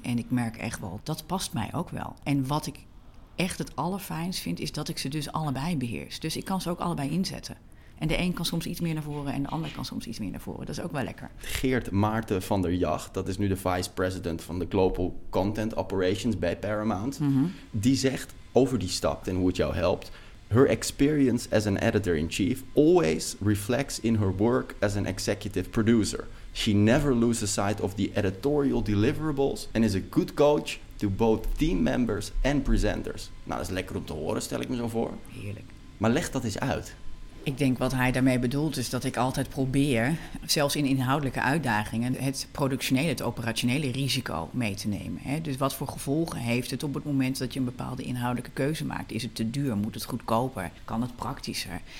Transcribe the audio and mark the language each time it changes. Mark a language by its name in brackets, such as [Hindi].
[Dutch] En ik merk echt wel, dat past mij ook wel. En wat ik echt het allerfijnst vind, is dat ik ze dus allebei beheers. Dus ik kan ze ook allebei inzetten. En de een kan soms iets meer naar voren en de ander kan soms iets meer naar voren. Dat is ook wel lekker. Geert Maarten van der Jacht, dat is nu de vice president van de Global Content Operations bij Paramount. Mm-hmm. Die zegt over die stap en hoe het jou helpt. [English] Her experience as an editor-in-chief always reflects in her work as an executive producer. She never loses sight of the editorial deliverables and is a good coach to both team members and presenters. [Dutch] Nou, dat is lekker om te horen, stel ik me zo voor. Heerlijk. Maar leg dat eens uit. Ik denk wat hij daarmee bedoelt is dat ik altijd probeer, zelfs in inhoudelijke uitdagingen, het productionele, het operationele risico mee te nemen. Dus wat voor gevolgen heeft het op het moment dat je een bepaalde inhoudelijke keuze maakt? Is het te duur? Moet het goedkoper? Kan het praktischer?